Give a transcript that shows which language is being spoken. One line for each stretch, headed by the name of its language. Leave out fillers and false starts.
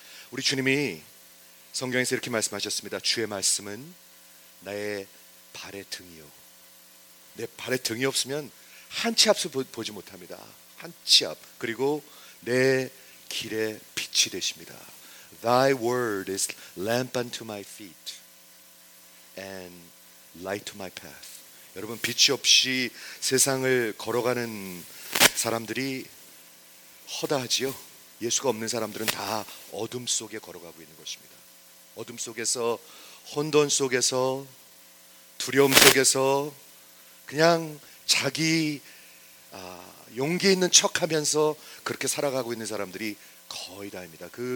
Korean: 우리 주님이 성경에서 이렇게 말씀하셨습니다. 주의 말씀은 나의 발의 등이요. 내 발의 등이 없으면 한치 앞을 보지 못합니다. 한치 앞. 그리고 내 길에 빛이 되십니다.
English: Thy word is lamp unto my feet and light to my path.
Korean: 여러분 빛이 없이 세상을 걸어가는 사람들이 허다하지요. 예수가 없는 사람들은 다 어둠 속에 걸어가고 있는 것입니다. 어둠 속에서 혼돈 속에서 두려움 속에서 그냥 자기 용기 있는 척하면서 그렇게 살아가고 있는 사람들이 거의 다입니다.